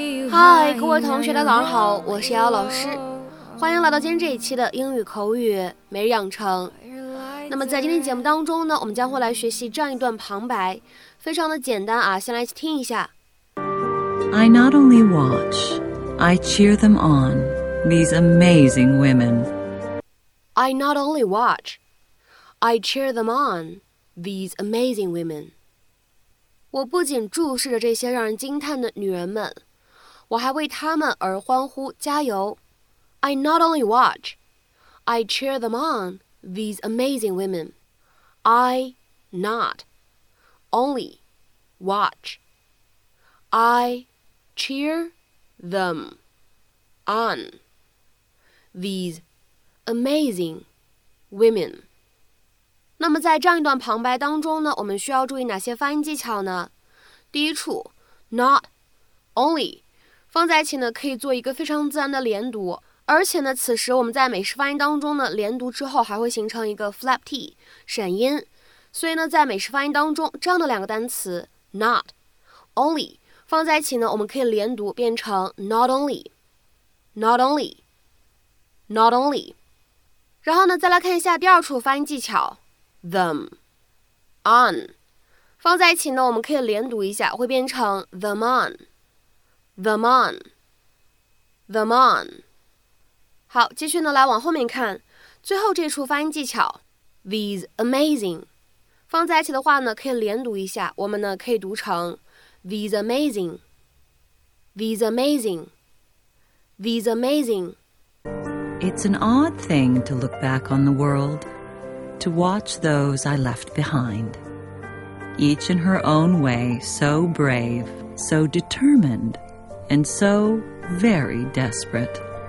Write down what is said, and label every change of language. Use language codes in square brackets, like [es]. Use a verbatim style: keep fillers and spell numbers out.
[zh] Hi， 各位同学，大家好，我是姚老师，欢迎来到今天这一期的英语口语每日养成。那么在今天节目当中呢，我们将会来学习这样一段旁白，非常的简单啊，先来听一下。 [en] I not only watch, I cheer them on, these amazing women. I not only watch, I cheer them on, these amazing women. [zh] 我不仅注视着这些让人惊叹的女人们，我还为她们而欢呼加油。 [en] I not only watch, I cheer them on, these amazing women. I not only watch, I cheer them on, these amazing women. [zh] 那么在这样一段旁白当中呢，我们需要注意哪些发音技巧呢？第一处 not only 放在一起呢，可以做一个非常自然的连读，而且呢，此时我们在美式发音当中呢，连读之后还会形成一个 flap t 闪音，所以呢，在美式发音当中，这样的两个单词 not only 放在一起呢，我们可以连读变成 not only, not only, not only。然后呢，再来看一下第二处发音技巧。 them on 放在一起呢，我们可以连读一下，会变成 [en] them on, them on, them on。 [zh] 好，继续呢来往后面看，最后这处发音技巧 these amazing 放在一起的话呢，可以连读一下，我们呢可以读成 [en] these amazing, these amazing, these amazing。 It's an odd thing to look back on the world. To watch those I left behind, each in her own way, so brave, so determined, and so very desperate.